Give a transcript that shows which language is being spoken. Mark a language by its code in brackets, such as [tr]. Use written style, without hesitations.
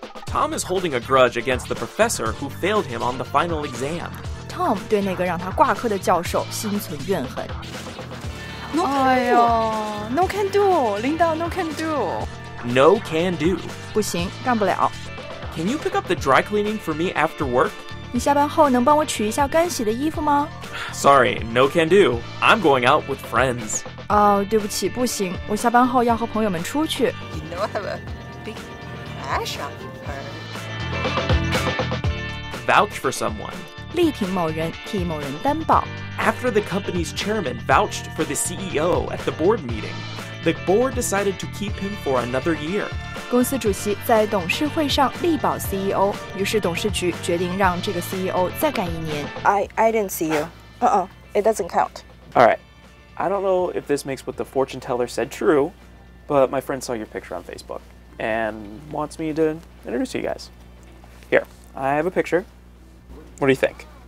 [en] Tom is holding a grudge against the professor who failed him on the final exam. [zh] Tom 对那个让他挂科的教授心存怨恨。 [en] No can do. [zh] 哎呦 [en] ，No can do. 领导 ，No can do. No can do. [zh] 不行，干不了。 [en] Can you pick up the dry cleaning for me after work? [zh] 你下班后能帮我取一下干洗的衣服吗 [en] ？Sorry, no can do. I'm going out with friends. [zh] 哦、oh, ，对不起，不行，我下班后要和朋友们出去。 [en] You know I have a big crush on her. Vouch for someone. [zh] 力挺某人，替某人担保。 [en] After the company's chairman vouched for the CEO at the board meeting, the board decided to keep him for another year. [zh] 公司主席在董事会上力保 CEO， 于是董事局决定让这个 CEO 再干一年。 [en] I didn't see you. Uh-oh, it doesn't count. All right. I don't know if this makes what the fortune teller said true, but my friend saw your picture on Facebook and wants me to introduce you guys. Here, I have a picture. What do you think?